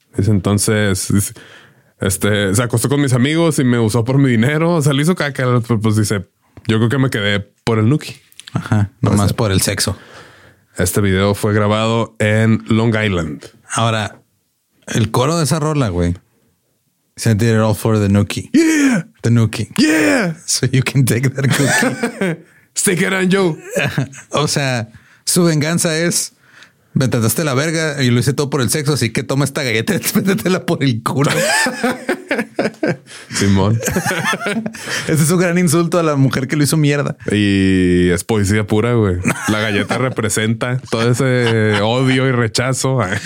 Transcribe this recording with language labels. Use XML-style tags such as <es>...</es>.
<es>Entonces, se acostó con mis amigos y me usó por mi dinero. O sea, le hizo caca. Pues dice, yo creo que me quedé por el Nuki. Ajá, nomás por el sexo. Este video fue grabado en Long Island. Ahora, el coro de esa rola, güey.</es> <en>So I did it all for the Nuki. Yeah. The Nuki. Yeah. So you can take that cookie. Stick it on Joe.</en> <es>O sea, su venganza es... Me trataste la verga y lo hice todo por el sexo, así que toma esta galleta y métetela por el culo. Simón. Ese es un gran insulto a la mujer que lo hizo mierda. Y es poesía pura, güey. La galleta representa todo ese odio y rechazo</es>